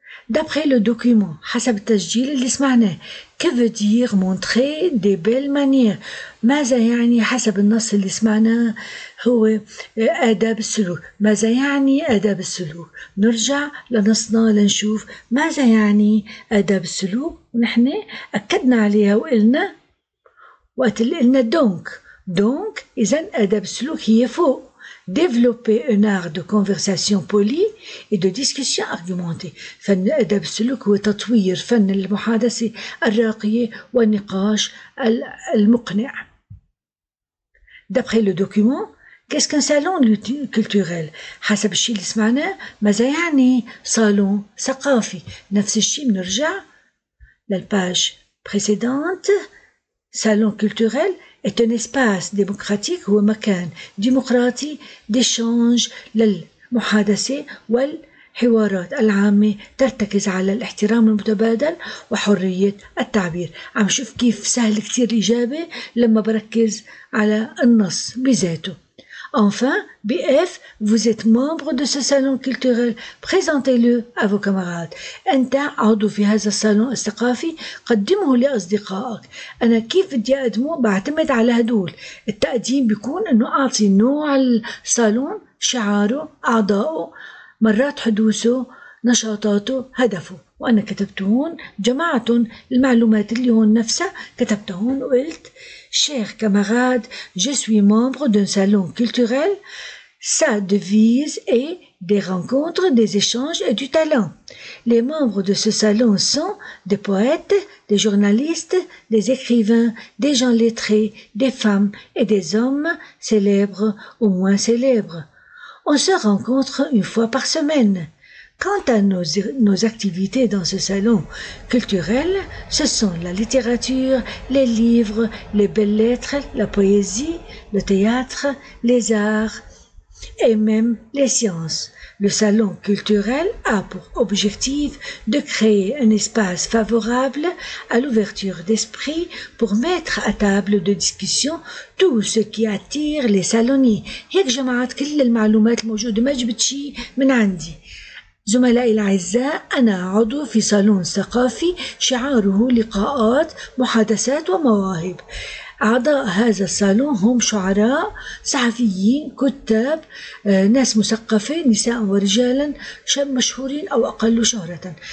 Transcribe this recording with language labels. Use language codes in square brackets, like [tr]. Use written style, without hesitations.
[fr] D'après le document, [ar] حسب التسجيل اللي سمعناه، [fr] que veut dire montrer des belles manières؟ [ar] ماذا يعني حسب النص اللي سمعناه هو آداب السلوك؟ ماذا يعني آداب السلوك؟ نرجع لنصنا لنشوف ماذا يعني آداب السلوك. ونحن أكدنا عليها وقلنا وقت اللي قلنا دونك إذن آداب السلوك هي فوق. [fr] Développer un art de conversation polie et de discussion argumentée. [ar] فن أدب السلوك هو تطوير فن المحادثة الراقية والنقاش المقنع. [fr] D'après le document, qu'est-ce qu'un salon culturel؟ [ar] حسب الشيء اللي سمعناه، ماذا يعني صالون ثقافي؟ نفس الشيء بنرجع للباج précédente. [fr] Salon culturel est un espace démocratique [ar] هو مكان ديمقراطي ديشانج للمحادثة والحوارات العامة ترتكز على الاحترام المتبادل وحرية التعبير. عم شوف كيف سهل كتير الإجابة لما بركز على النص بذاته. [fr] Enfin, BF, vous êtes membre de ce salon culturel. Présentez-le à vos camarades. [ar] انت عضو في هذا الصالون الثقافي، قدمه لأصدقائك. أنا كيف بدي أقدمه؟ بعتمد على هدول. التقديم بيكون أنه أعطي نوع الصالون، شعاره، أعضاؤه، مرات حدوثه، نشاطاته، هدفه. وأنا كتبت هون جماعة المعلومات اللي هون نفسها كتبتها هون وقلت [fr] شيخ كامغاد جسوي مامبر دون سالون كولتوريل سا ديفيز اي des rencontres, des échanges et du talent. Les membres de ce salon sont des poètes, des journalistes, des écrivains, des gens lettrés, des femmes et des hommes célèbres ou moins célèbres. On se rencontre une fois par semaine. Quant à nos activités dans ce salon culturel, ce sont la littérature, les livres, les belles lettres, la poésie, le théâtre, les arts et même les sciences. Le salon culturel a pour objectif de créer un espace favorable à l'ouverture d'esprit pour mettre à table de discussion tout ce qui attire les salonniers. [ar] هيك جمعت كل المعلومات الموجودة ما جبت شي من عندي. زملائي الأعزاء، أنا عضو في صالون ثقافي شعاره لقاءات محادثات ومواهب. أعضاء هذا الصالون هم شعراء، صحفيين، كتاب، ناس مثقفة، نساء ورجالا مشهورين أو أقل شهرة.